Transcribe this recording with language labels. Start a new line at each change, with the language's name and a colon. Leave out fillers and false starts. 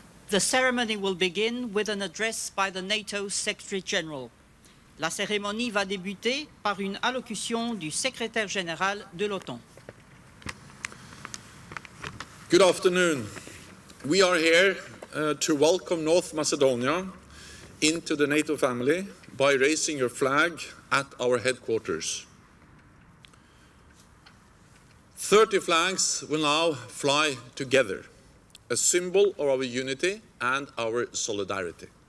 English: The ceremony will begin with an address by the NATO Secretary General.
French: La cérémonie va débuter par une allocution du secrétaire général de l'OTAN.
English: Good afternoon. We are here to welcome North Macedonia into the NATO family by raising your flag at our headquarters. 30 flags will now fly together, a symbol of our unity and our solidarity.